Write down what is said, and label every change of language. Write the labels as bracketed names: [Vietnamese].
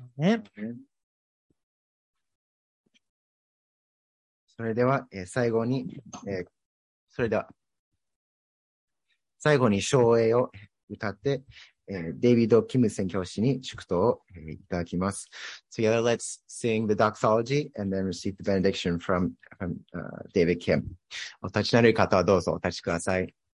[Japanese] ね、それでは、最後に、それでは、最後に唱詠を歌って、デイビッド・キム宣教師に祝祷をいただきます。 [English] Together, let's sing the doxology and then receive the benediction from David Kim. [Japanese] お立ちなる方はどうぞお立ちください。